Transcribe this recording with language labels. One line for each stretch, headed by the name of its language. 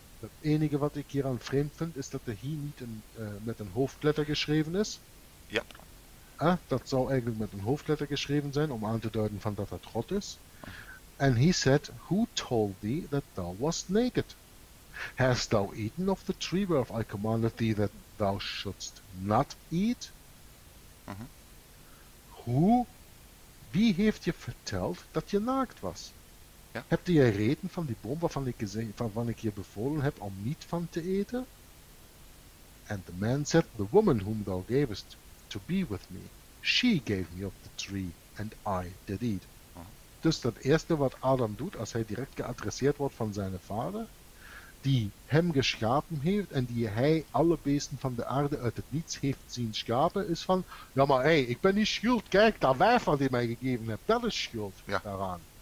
Dutch: Het enige wat ik hier aan vreemd vind, is dat de hier niet een, met een hoofdletter geschreven is. Ja. Dat zou eigenlijk met een hoofdletter geschreven zijn, om aan te duiden van dat het God is.
English: And he said, who told thee that thou wast naked? Hast thou eaten of the tree whereof I commanded thee that thou shouldst not eat?
Dutch: Wie heeft je verteld dat je naakt was? Ja. Heb je reden van die boom waarvan ik, waarvan ik je bevolen heb om niet van te eten?
English: And the man said, the woman whom thou gavest to be with me, she gave me of the tree, and I did eat. Uh-huh.
Dutch: Dus dat eerste wat Adam doet, als hij direct geadresseerd wordt van zijn vader, die hem geschapen heeft en die hij alle beesten van de aarde uit het niets heeft zien schapen, is van, ja maar hé, ik ben niet schuld, kijk, dat wijfel die mij gegeven hebt, dat is schuld daaraan.